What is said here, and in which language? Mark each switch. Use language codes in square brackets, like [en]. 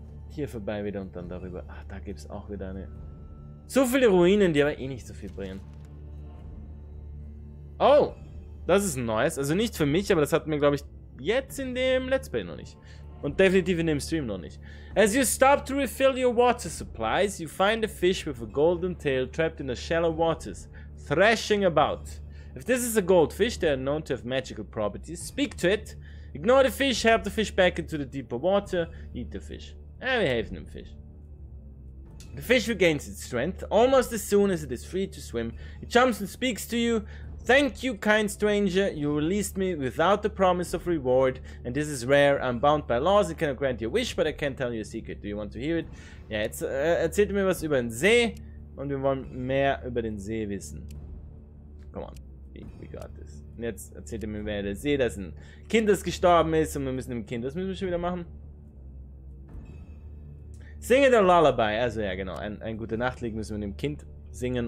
[de] Hier vorbei wieder und dann darüber. Ach, da gibt es auch wieder eine. So viele Ruinen, die aber eh nicht so viel bringen. Oh, das ist ein neues. Also nicht für mich, aber das hatten wir, glaube ich, jetzt in dem Let's Play noch nicht. Und definitiv in dem Stream noch nicht. [en] As you stop to refill your water supplies, you find a fish with a golden tail trapped in the shallow waters, thrashing about. If this is a goldfish, they are known to have magical properties. Speak to it. Ignore the fish, help the fish back into the deeper water. Eat the fish. [de] Ah, wir helfen dem Fisch. [en] The fish regains its strength almost as soon as it is free to swim. It jumps and speaks to you. Thank you, kind stranger. You released me without the promise of reward. And this is rare. I'm bound by laws. I cannot grant you a wish, but I can tell you a secret. Do you want to hear it? [de] Ja, jetzt erzählt mir was über den See. Und wir wollen mehr über den See wissen. [en] Come on. We got this. [de] Und jetzt erzählt mir mehr über den See, dass ein Kind, das gestorben ist. Und wir müssen dem Kind, das müssen wir schon wieder machen. Singe der Lullaby. Also ja, genau. Ein gute Nachtlied müssen wir dem Kind singen.